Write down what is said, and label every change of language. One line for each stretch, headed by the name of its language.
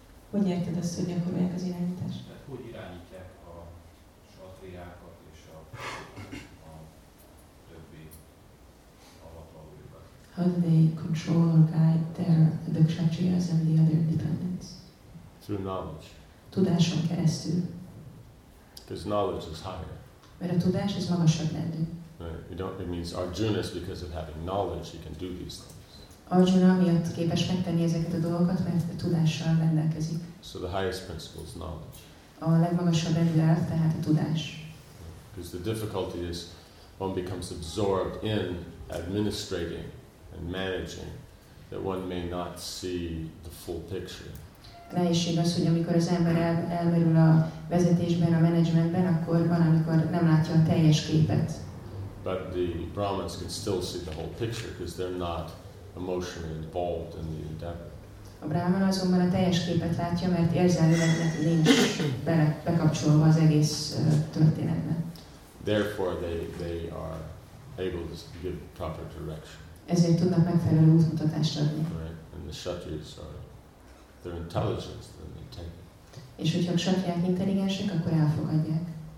Hungarian: Hogy érted azt, hogy gyakorolják az irányítást? Hogy irányítják a satriákat és a többi alatvalójukat?
English: How do they control or guide their, the kshatriyas and the other dependents? Through knowledge.
Hungarian: Tudáson keresztül.
English: Because knowledge is higher.
Hungarian: Mert a tudás az magasabb lendő.
English: Right. You don't, it means Arjuna is because of having knowledge he can do these things.
Hungarian: Arjuna miatt képes megtenni ezeket a dolgokat, mert tudással rendelkezik.
English: So the highest principle is knowledge.
Hungarian: A legmagasabb elvilág, tehát a tudás.
English: Because the difficulty is one becomes absorbed in administrating and managing that one may not see the full picture.
Hungarian: Nehézség az, hogy amikor az ember elmerül a vezetésben, a menedzsmentben, akkor van, amikor nem látja a teljes képet.
English: But the Brahmins can still see the whole picture because they're not emotionally involved in the endeavor.
Hungarian: A Brahman azonban a teljes képet látja, mert érzelmileg nincs bekapcsolva az egész történetbe.
English: Therefore they are able to give proper direction.
Hungarian: Ezért tudnak megfelelő útmutatást adni.
English: Right. And the kshatriyas are their intelligence that they take.
Hungarian: És hogyha a kshatriyák intelligensek, akkor elfogadják.